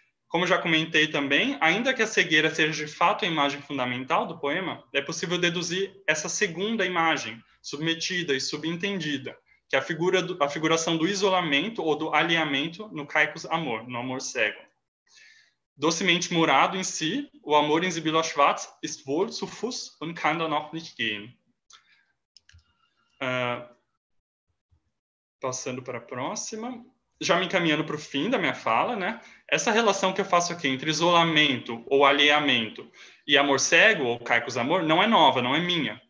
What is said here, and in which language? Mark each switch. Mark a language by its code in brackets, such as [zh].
[pt] Como já comentei também, ainda que a cegueira seja de fato a imagem fundamental do poema, é possível deduzir essa segunda imagem, submetida e subentendida, que é a figuração do isolamento ou do alinhamento no Caicos Amor, no Amor Cego. Docemente murado em si, o amor exibido a Schwartz [de] ist wohl zu Fuß und kann dann auch nicht gehen. [pt] Passando para a próxima, já me encaminhando para o fim da minha fala, né? Essa relação que eu faço aqui entre isolamento ou alheamento e amor cego, ou Caicos Amor, não é nova, não é minha.